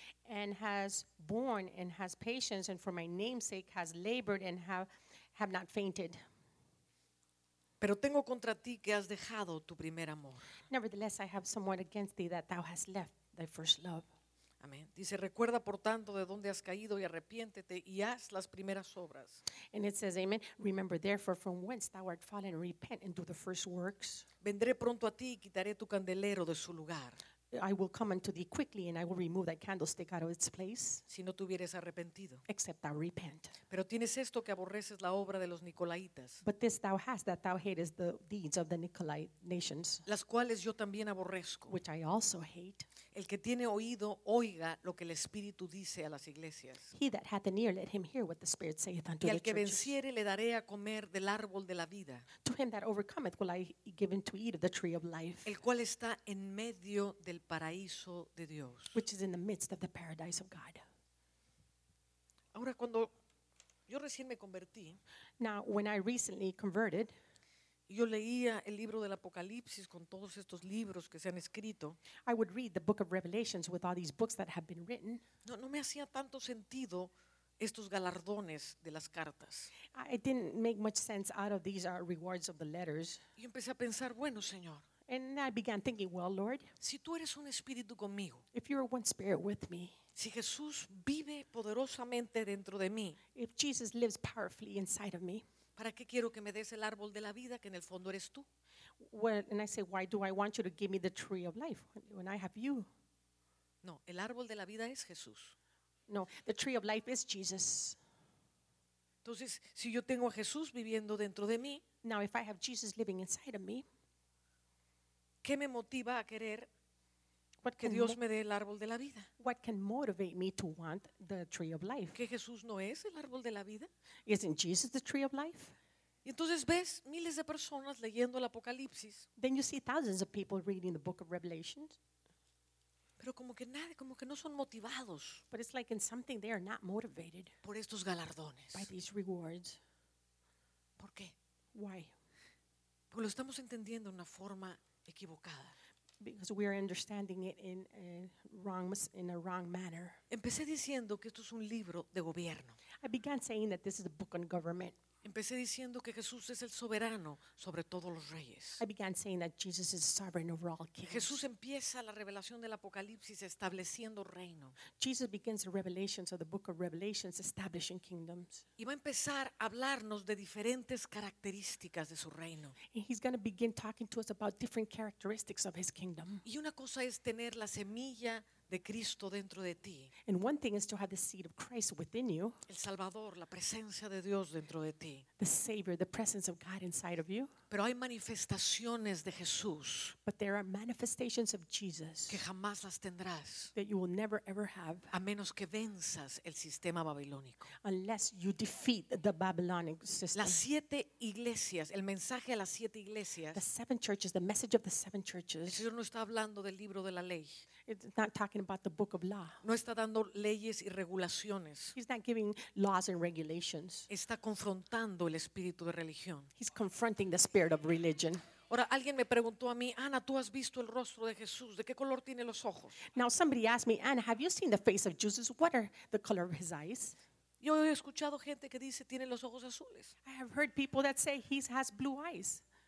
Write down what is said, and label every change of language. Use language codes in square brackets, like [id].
[en] And has borne and has patience and for my name's sake has labored and have not fainted. [es] Pero tengo contra ti que has dejado tu primer amor. [en] Nevertheless, I have somewhat against thee that thou hast left thy first love. [es] Amén. Dice, recuerda por tanto de dónde has caído y arrepiéntete y haz las primeras obras. [en] And it says, amen, remember therefore from whence thou art fallen, repent and do the first works. [es] Vendré pronto a ti y quitaré tu candelero de su lugar. [en] I will come unto thee quickly and I will remove that candlestick out of its place. [es] Si no te hubieres arrepentido. [en] Except thou repent. [es] Pero tienes esto que aborreces la obra de los Nicolaitas. [en] But this thou hast that thou hatest the deeds of the Nicolaitan nations. [es] Las cuales yo también aborrezco. [en] Which I also hate. [es] El que tiene oído, oiga lo que el Espíritu dice a las iglesias. [en] He that hath an ear, let him hear what the Spirit saith unto the churches. [es] Y al que venciere, le daré a comer del árbol de la vida. [en] To him that overcometh, will I give him to eat of the tree of life. [es] El cual está en medio del paraíso de Dios. [en] Which is in the midst of the paradise of God. [es] Ahora, cuando yo recién me convertí. [en] Now, when I recently converted. [es] Yo leía el libro del Apocalipsis con todos estos libros que se han escrito. [en] I would read the book of Revelations with all these books that have been written. [es] No me hacía tanto sentido estos galardones de las cartas. [en] It didn't make much sense out of these rewards of the letters. [es] Y empecé a pensar, bueno, Señor. [en] And I began thinking, well, Lord. [es] Si tú eres un espíritu conmigo. [en] If you are one spirit with me. [es] Si Jesús vive poderosamente dentro de mí. [en] If Jesus lives powerfully inside of me. [es] ¿Para qué quiero que me des el árbol de la vida que en el fondo eres tú? [en] Well, and I say, why do I want you to give me the tree of life when I have you? [es] No, el árbol de la vida es Jesús. [en] No, the tree of life is Jesus. [es] Entonces, si yo tengo a Jesús viviendo dentro de mí, [en] now if I have Jesus living inside of me, [es] ¿qué me motiva a querer que Dios me dé el árbol de la vida? [en] What can motivate me to want the tree of life? [es] ¿Que Jesús no es el árbol de la vida? [en] Isn't Jesus the tree of life? [es] Y entonces ves miles de personas leyendo el Apocalipsis. [en] Then you see thousands of people reading the book of Revelations. [es] Pero como que nada, como que no son motivados. [en] But it's like in something they are not motivated. [es] Por estos galardones. [en] By these rewards. [es] ¿Por qué? [en] Why? [es] Porque lo estamos entendiendo de una forma equivocada. [en] Because we are understanding it in a wrong manner. [es] Empecé diciendo que esto es un libro de gobierno. [en] I began saying that this is a book on government. [es] Empecé diciendo que Jesús es el soberano sobre todos los reyes. [en] I began saying that Jesus is sovereign over all kings. [es] Jesús empieza la revelación del Apocalipsis estableciendo reino. [en] Jesus begins the revelations of the book of Revelations establishing kingdoms. [es] Y va a empezar a hablarnos de diferentes características de su reino. [en] And he's going to begin talking to us about different characteristics of his kingdom. [es] Y una cosa es tener la semilla de Cristo dentro de ti. [en] And one thing is to have the seed of Christ within you. [es] El Salvador, la presencia de Dios dentro de ti. [en] The Savior, the presence of God inside of you. [es] Pero hay manifestaciones de Jesús. [en] But there are manifestations of Jesus. [es] Que jamás las tendrás. [en] That you will never ever have. [es] A menos que venzas el sistema babilónico. [en] Unless you defeat the Babylonic system. [es] Las siete iglesias, el mensaje a las siete iglesias. [en] The seven churches, the message of the seven churches. [es] El Señor no está hablando del libro de la ley. [en] It's not talking about the book of law. [es] No está dando leyes y regulaciones. [en] He's not giving laws and regulations. [es] Está confrontando el espíritu de religión. [en] He's confronting the spirit of religion. [es] Ahora alguien me preguntó a mí, Ana, ¿tú has visto el rostro de Jesús? ¿De qué color tiene los ojos? [en] Now somebody asked me, Ana, have you seen the face of Jesus? What are the color of his eyes? [es] Yo he escuchado gente que dice tiene los ojos azules. [en] I have heard people that say he has blue eyes.